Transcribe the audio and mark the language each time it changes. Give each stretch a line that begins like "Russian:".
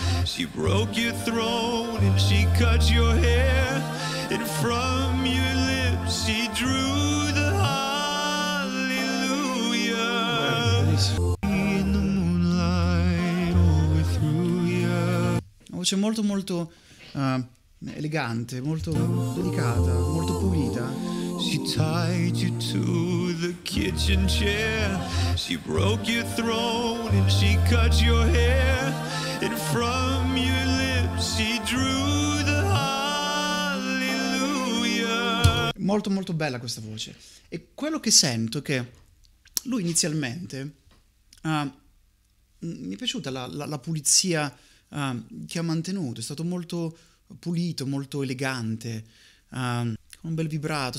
English: She broke your throne and she cut your hair. And from your lips she drew the hallelujah. In the moonlight overthrew you.
Italian: Una voce molto molto elegante, molto delicata, molto pulita.
English: She tied you to the kitchen chair. She broke your throne and she cut your hair. And from your lips she drew the hallelujah.
Italian: Molto molto bella questa voce. E quello che sento è che lui inizialmente mi è piaciuta la pulizia che ha mantenuto. È stato molto pulito, molto elegante, con un bel vibrato.